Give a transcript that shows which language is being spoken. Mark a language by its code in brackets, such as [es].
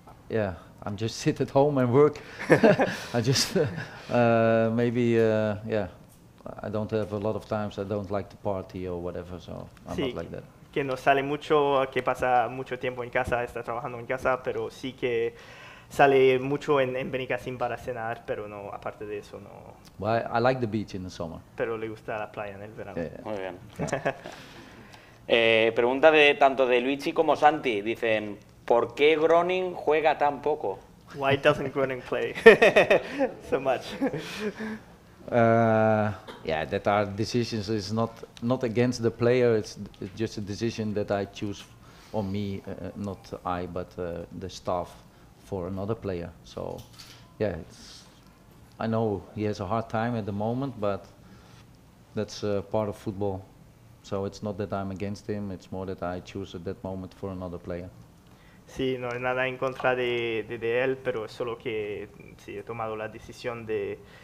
[en] Yeah, I'm just sit at home and work. I just maybe. I don't have a lot of times. I don't like to party or whatever, so I'm [es] sí, [en] not like that. [es] Que no sale mucho, que pasa mucho tiempo en casa, está trabajando en casa, pero sí que sale mucho en Benicassim para cenar, pero no, aparte de eso, no. [en] Well, I like the beach in the summer. [es] Pero le gusta la playa en el verano. [en] Yeah. [es] Muy bien. pregunta de tanto de Luigi como Santi. Dicen, ¿por qué Groning juega tan poco? [en] Why doesn't Groning play so much? That are decisions. It's not against the player. It's just a decision that I choose on me, not I, but the staff for another player. So, yeah, it's. I know he has a hard time at the moment, but that's part of football. So it's not that I'm against him. It's more that I choose at that moment for another player. [es] Sí, no es nada en contra de él, pero solo que sí he tomado la decisión de.